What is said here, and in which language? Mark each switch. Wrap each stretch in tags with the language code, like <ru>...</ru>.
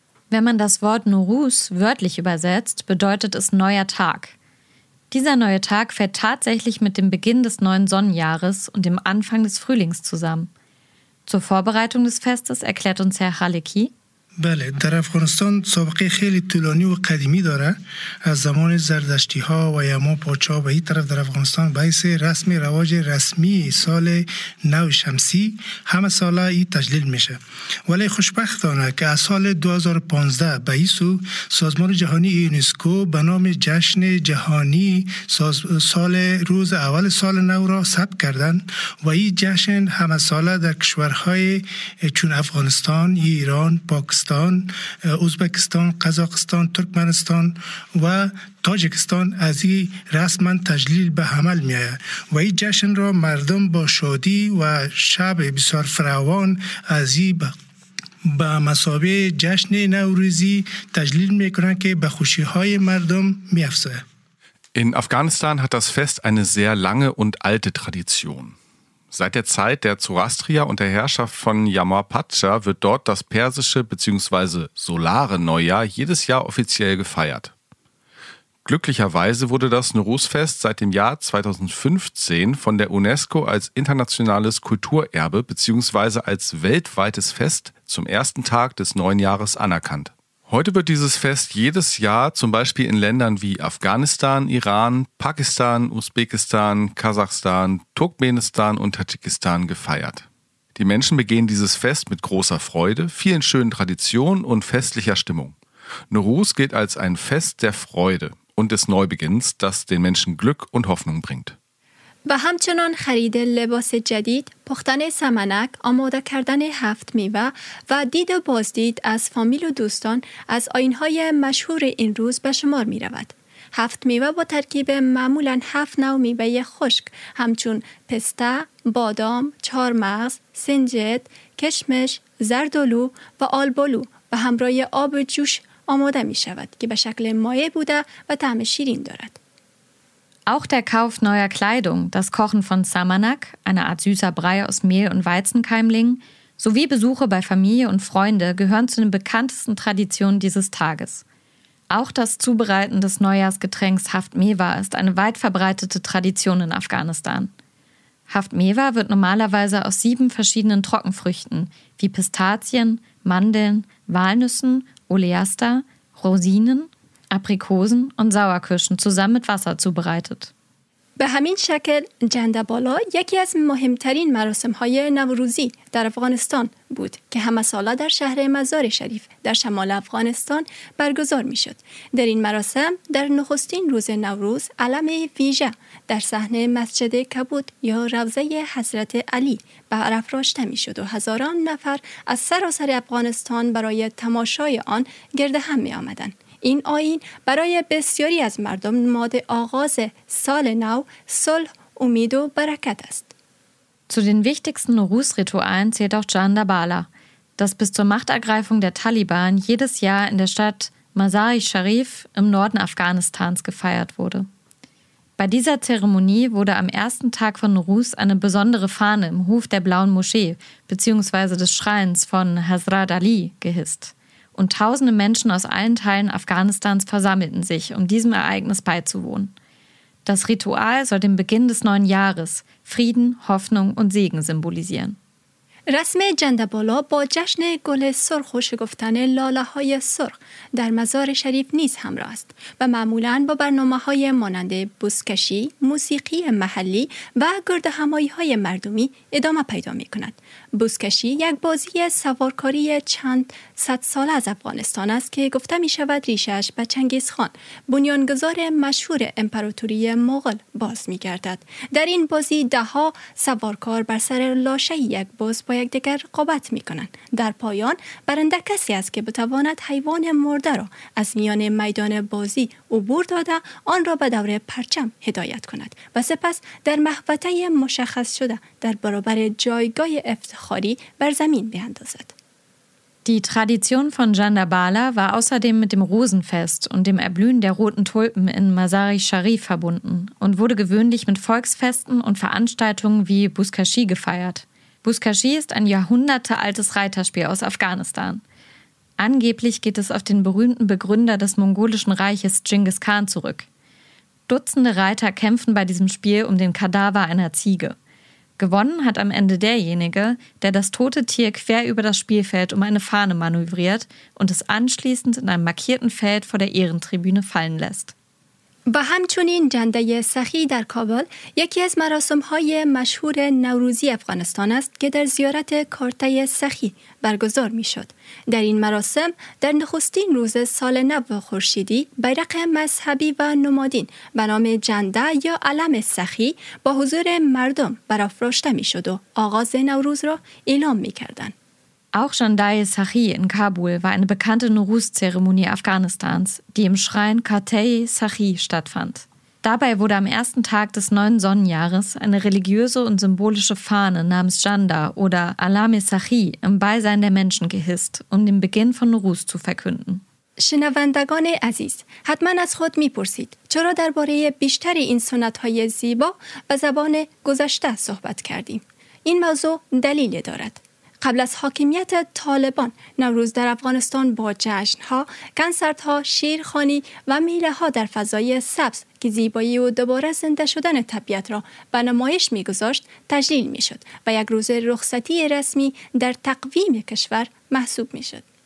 <de>Wenn man das Wort Nowruz wörtlich übersetzt, bedeutet es neuer Tag. Dieser neue Tag fällt tatsächlich mit dem Beginn des neuen Sonnenjahres und dem Anfang des Frühlings zusammen. Zur Vorbereitung des Festes erklärt uns Herr Khaleki,</de> <fa>بله در افغانستان سابقه خیلی طولانی و قدیمی داره از زمان زردشتی ها و یما پاچا به این طرف در افغانستان بایسه رسم رواج رسمی سال نو شمسی همه ساله این تجلیل میشه ولی خوشبختانه که از سال 2015 به این سو سازمان جهانی یونسکو به نام جشن جهانی سال روز اول سال نو را ثبت کردن و این جشن همه ساله در کشورهای چون افغانستان، ایران، پاکستان ازبکستان، قزاقستان، ترکمنستان و تاجکستان از این رسمن تجلیل به عمل می آید و این جشن را مردم با شادی و شب بسیار فراوان از این به مسابه جشن نوروزی تجلیل می کنند که به خوشی های مردم می افزاید.</fa> <de>In Afghanistan hat das Fest eine sehr lange und alte Tradition. Seit der Zeit der Zoroastrier und der Herrschaft von Yamar Pascha wird dort das persische bzw. solare Neujahr jedes Jahr offiziell gefeiert. Glücklicherweise wurde das Nowruz-Fest seit dem Jahr 2015 von der UNESCO als internationales Kulturerbe bzw. als weltweites Fest zum ersten Tag des neuen Jahres anerkannt. Heute wird dieses Fest jedes Jahr zum Beispiel in Ländern wie Afghanistan, Iran, Pakistan, Usbekistan, Kasachstan, Turkmenistan und Tadschikistan gefeiert. Die Menschen begehen dieses Fest mit großer Freude, vielen schönen Traditionen und festlicher Stimmung. Nowruz gilt als ein Fest der Freude und des Neubeginns, das den Menschen Glück und Hoffnung bringt.</de> <fa>و همچنان خرید لباس جدید، پختن سمنک، آماده کردن هفت میوه و دید و بازدید از فامیل و دوستان از آیین‌های مشهور این روز به شمار می رود. هفت میوه با ترکیب معمولاً هفت نوع میوه خشک همچون پسته، بادام، چهارمغز، سنجد، کشمش، زردالو و آلبالو به همراه آب جوش آماده می شود که به شکل مایع بوده و طعم شیرین دارد.</fa> <de>Auch der Kauf neuer Kleidung, das Kochen von Samanak, eine Art süßer Brei aus Mehl und Weizenkeimlingen, sowie Besuche bei Familie und Freunde gehören zu den bekanntesten Traditionen dieses Tages. Auch das Zubereiten des Neujahrsgetränks Haft Mewa ist eine weit verbreitete Tradition in Afghanistan. Haft Mewa wird normalerweise aus 7 verschiedenen Trockenfrüchten wie Pistazien, Mandeln, Walnüssen, Oleaster, Rosinen, Aprikosen und Sauerkirschen zusammen mit Wasser zubereitet.</de> <fa>به همین شکل جندبالا یکی از مهمترین مراسم‌های نوروزی در افغانستان بود که همه ساله در شهر مزار شریف در شمال افغانستان برگزار می‌شد. در این مراسم در نخستین روز نوروز علم ویژه در صحنه مسجد کبود یا روضه حضرت علی برافراشته می‌شد و هزاران نفر از سراسر افغانستان برای تماشای آن گرد هم می‌آمدند. این آیین برای بسیاری از مردم نماد آغاز سال نو، صلح، امید و برکت است.</fa> <de>Zu den wichtigsten Nowruz-Ritualen zählt auch Jandabala, das bis zur Machtergreifung der Taliban jedes Jahr in der Stadt Mazar-i-Sharif im Norden Afghanistans gefeiert wurde. Bei dieser Zeremonie wurde am ersten Tag von Nowruz eine besondere Fahne im Hof der Blauen Moschee bzw. des Schreins von Hazrat Ali gehisst. Und tausende Menschen aus allen Teilen Afghanistans versammelten sich, um diesem Ereignis beizuwohnen. Das Ritual soll den Beginn des neuen Jahres, Frieden, Hoffnung und Segen symbolisieren.</de> <fa>رسم جندبالا با جشن گل سرخ و شکفتن لاله‌های سرخ در مزار شریف نیز همراه است و معمولاً با برنامه‌های مانند بوسکشی، موسیقی محلی و گردهمایی‌های مردمی ادامه پیدا می‌کند. بوسکشی یک بازی سوارکاری چند صد ساله از افغانستان است که گفته می‌شود ریشه‌اش به چنگیز خان، بنیانگذار مشهور امپراتوری مغل، باز می‌گردد. در این بازی ده‌ها سوارکار بر سر لاشه یک باز با یک دیگر رقابت می کنند. در پایان برنده کسی است که بتواند حیوان مرده را از میان میدان بازی عبور داده آن را به دور پرچم هدایت کند و سپس در محوطه مشخص شده در برابر جایگاه افتخاری بر زمین بیندازد.</fa> <de>Die Tradition von Jandabala war außerdem mit dem Rosenfest und dem Erblühen der roten Tulpen in Mazar-i-Sharif verbunden und wurde gewöhnlich mit Volksfesten und Veranstaltungen wie Buzkashi gefeiert. Buzkashi ist ein jahrhundertealtes Reiterspiel aus Afghanistan. Angeblich geht es auf den berühmten Begründer des mongolischen Reiches Genghis Khan zurück. Dutzende Reiter kämpfen bei diesem Spiel um den Kadaver einer Ziege. Gewonnen hat am Ende derjenige, der das tote Tier quer über das Spielfeld um eine Fahne manövriert und es anschließend in einem markierten Feld vor der Ehrentribüne fallen lässt.</de> <fa>و همچنین جنده سخی در کابل یکی از مراسم‌های مشهور نوروزی افغانستان است که در زیارت کارته سخی برگزار می‌شد. در این مراسم در نخستین روز سال نو خورشیدی بیرق مذهبی و نمادین به نام جنده یا علم سخی با حضور مردم برافراشته می‌شد و آغاز نوروز را اعلام می‌کردند.</fa> <de>Auch Jandai Sakhi in Kabul war eine bekannte Nowruz-Zeremonie Afghanistans, die im Schrein Kartei Sakhi stattfand. Dabei wurde am ersten Tag des neuen Sonnenjahres eine religiöse und symbolische Fahne namens Janda oder Alame Sakhi im Beisein der Menschen gehisst, um den Beginn von Nowruz zu verkünden.</de> <fa>شنوندگان عزیز، حتما از خود میپرسید چرا درباره بیشتر این سنت‌های زیبا به زبان گذشته صحبت کردیم؟ این موضوع دلیل دارد. قبل از حاکمیت طالبان، نوروز در افغانستان با جشن‌ها، کنسرت‌ها، شیرخوانی و میله‌ها در فضای سبز که زیبایی و دوباره زنده شدن طبیعت را به نمایش می‌گذاشت، تجلیل می‌شد و یک روز رخصتی رسمی در تقویم کشور محسوب می‌شد.</fa>